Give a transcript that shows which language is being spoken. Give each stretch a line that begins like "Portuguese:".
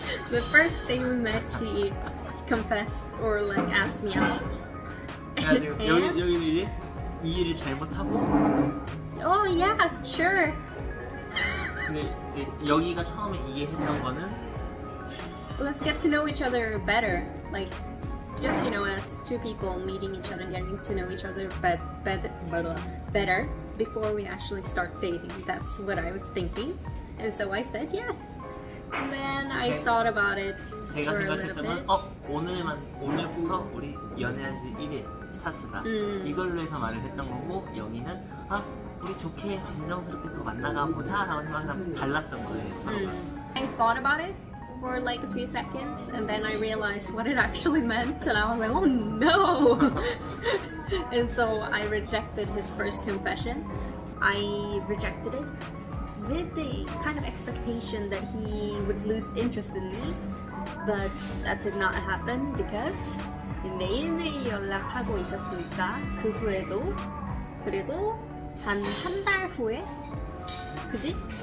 English: The first day we met, he confessed or like asked me out.
Korean: 여기 이제 이해를 잘못하고.
English: Oh yeah, sure.
Korean: 근데 이제 여기가 처음에 이해했던 거는.
English: Let's get to know each other better, like just, you know, as two people meeting each other, getting to know each other better before we actually start dating. That's what I was thinking, and so I said yes. And then I thought about it for a little bit.
Korean: 오늘부터 우리 연애한 지 1일 스타트다. 이걸로 해서 말을 했던 거고, 여기는 아 우리 좋게 진정스럽게 더 만나가 보자 라고 생각하면 달랐던 거예요.
English: I thought about it for like a few seconds, and then I realized what it actually meant, and I was like, oh no! And so I rejected his first confession. I rejected it with the kind of expectation that he would lose interest in me, but that did not happen because
Korean: 매일매일 연락하고 있었으니까 그 후에도 그리고 한 한 달 후에 그지?